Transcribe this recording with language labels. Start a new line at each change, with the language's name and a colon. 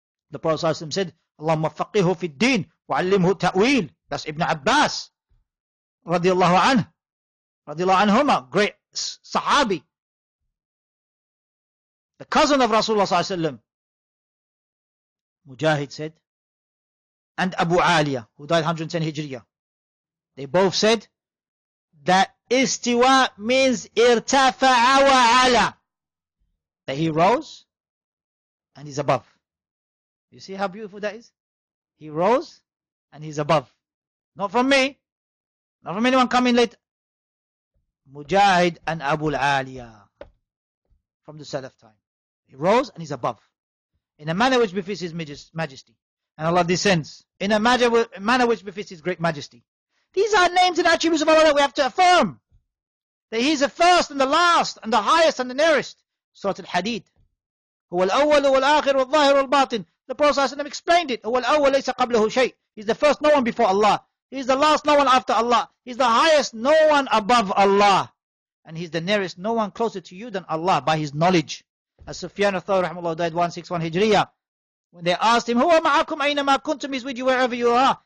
English: The Prophet
Arabic: صلى الله عليه وسلم
English: said,
Arabic: اللهم فقهه في الدين وعلمه تأويل.
English: That's
Arabic: ابن عباس رضي الله عنه. رضي الله عنهما,
English: great
Arabic: صحابي,
English: the cousin of
Arabic: رسول الله صلى الله عليه وسلم.
English: Mujahid said, and Abu Aliya, who died 110 Hijriya, they both said that استواء means
Arabic: ارتفع وعلى.
English: That he rose and he's above. You see how beautiful that is? He rose and he's above. Not from me. Not from anyone coming late. Mujahid and Abu al-Aliya. From the Salaf time. He rose and he's above. In a manner which befits his majesty. And Allah descends. In a manner which befits his great majesty. These are names and attributes of Allah that we have to affirm. That he's the first and the last and the highest and the nearest. Surah Al-Hadid,
Arabic: هو الأول والآخر والظاهر والباطن.
English: The Prophet
Arabic: صلى الله عليه وسلم
English: explained it.
Arabic: هو الأول ليس قبله شيء.
English: He's the first no one before Allah. He's the last no one after Allah. He's the highest no one above Allah. And he's the nearest no one closer to you than Allah by his knowledge. As Sufyan al-Thawri rahimahullah died 161 Hijriya. When they asked him,
Arabic: "Huwa ma'akum ayna ma kuntum,"
English: he's with you wherever you are.